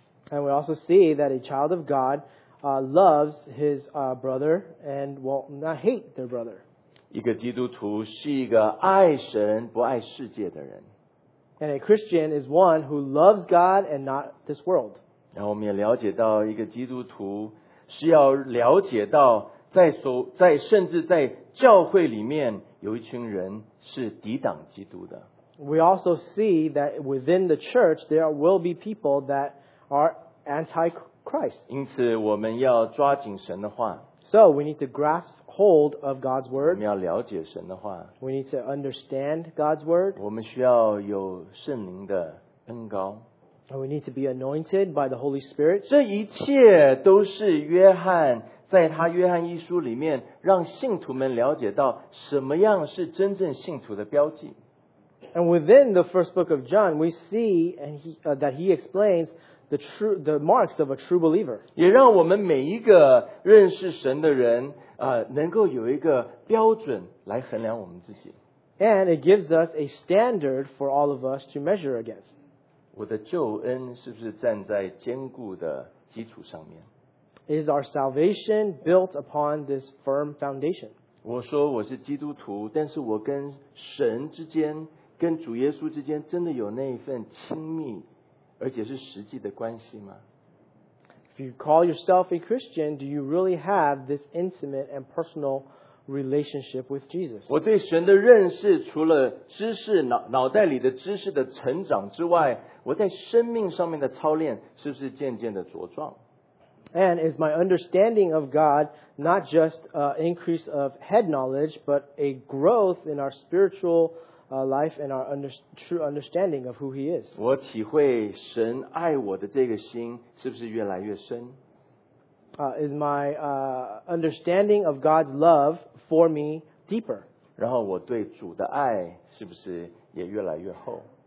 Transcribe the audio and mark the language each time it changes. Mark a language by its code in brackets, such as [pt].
[en] And we also see that a child of God loves his brother and will not hate their brother. [zh] 一个基督徒是一个爱神不爱世界的人。 [en] And a Christian is one who loves God and not this world. [zh] 然后我们也了解到一个基督徒是要了解到在甚至在教会里面有一群人是抵挡基督的。 [en] We also see that within the church there will be people that are anti-Christ. [zh] 因此我们要抓紧神的话。 [en] So we need to grasp hold of God's word. [zh] 我们要了解神的话。 [en] We need to understand God's word. [zh] 我们需要有圣灵的恩膏。 [en] And we need to be anointed by the Holy Spirit. [zh] 这一切都是约翰在他约翰一书里面让信徒们了解到什么样是真正信徒的标记。 [en] And within the first book of John, we see that he explains the marks of a true believer. [zh] 也让我们每一个认识神的人能够有一个标准来衡量我们自己。 [en] And it gives us a standard for all of us to measure against. [zh] 我的救恩是不是站在坚固的基础上面？ [en] Is our salvation built upon this firm foundation? [zh] 我说我是基督徒，但是我跟神之间，跟主耶稣之间真的有那一份亲密，而且是实际的关系吗？ [en] If you call yourself a Christian, do you really have this intimate and personal relationship with Jesus? [zh] 我对神的认识除了知识 脑袋里的知识的成长之外，我在生命上面的操练是不是渐渐的茁壮？ [en] And is my understanding of God not just an increase of head knowledge, but a growth in our spiritual life and our true understanding of who He is. [zh] 我体会神爱我的这个心是不是越来越深？ [en] Is my understanding of God's love for me deeper? [zh] 然后我对主的爱是不是也越来越厚？